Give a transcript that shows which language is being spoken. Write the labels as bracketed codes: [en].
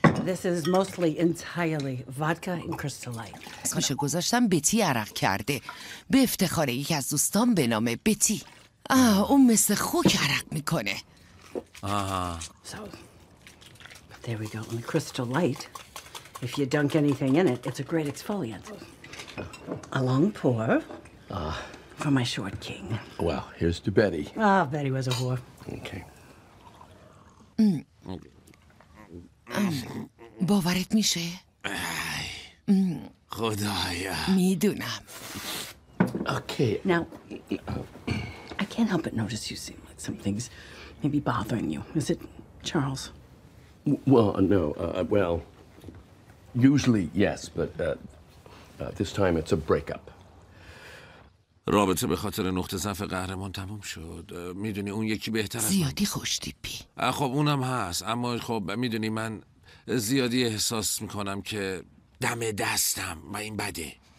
[en] This is mostly entirely vodka and crystal light. [fa] اسمش گذاشتم بیتی عرق کرده. به افتخار یکی از دوستان به نام بیتی. آه، اون مثل خوک عرق میکنه. آها. [en] So, there we go. And crystal light. If you dunk anything in it, it's a great exfoliant. A long pour. For my short king. Well, here's to Betty. Ah, Betty was a whore. Okay. [fa] باورت میشه؟ خدایا. میدونم. [en] Okay. Now, I can't help but notice you seem like some things may be bothering you. Is it Charles? Well, no. Well, usually yes, but this time it's a breakup. [fa] رابطه به خاطر نقطه ضعف قهرمان تموم شد. میدونی اون یکی بهتر از من. زیادی خوشتیپی. خب اونم هست، اما خب میدونی من زیادی احساس میکنم که دم دستم و این بده.